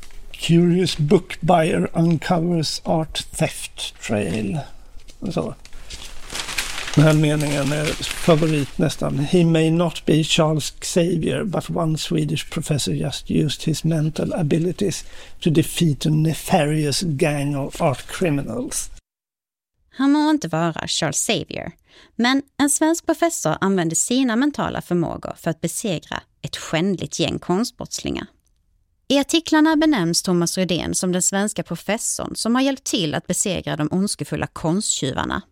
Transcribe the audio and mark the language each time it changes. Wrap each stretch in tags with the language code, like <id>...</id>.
<en>Curious book buyer uncovers art theft trail.</en> <sv>Och så. Den här meningen är favorit nästan.</sv> <en>He may not be Charles Xavier, but one Swedish professor just used his mental abilities to defeat a nefarious gang of art criminals.</en> <sv>Han må inte vara Charles Xavier, men en svensk professor använde sina mentala förmågor för att besegra ett skändligt gäng konstbrottslingar. I artiklarna benämns Thomas Rydén som den svenska professorn som har hjälpt till att besegra de ondskefulla konsttjuvarna.</sv>